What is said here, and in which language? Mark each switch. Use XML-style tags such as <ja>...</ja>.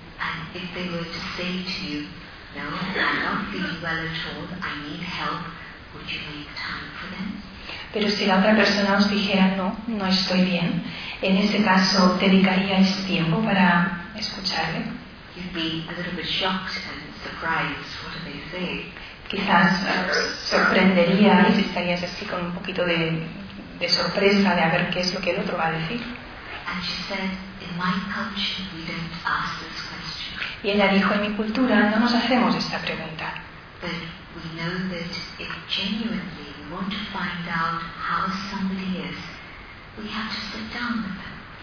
<en>And if they were to say to you, no, I'm not feeling well at all, I need help, would you make time for them?</en> <es>Pero si la otra persona os dijera, no, no estoy bien, en ese caso, ¿dedicaríais tiempo para escucharle?</es> <en>You'd be a little bit shocked and surprised, what do they say?</en> <es>Quizás sorprenderíais, estarías así con un poquito de sorpresa de a ver qué es lo que el otro va a decir.</es> <en>And she said, in my culture, we don't ask this question.</en> <es>Y ella dijo, en mi cultura no nos hacemos esta pregunta.</es> <en>But we know that if genuinely we want to find out how somebody is, we have to sit down with them.</en>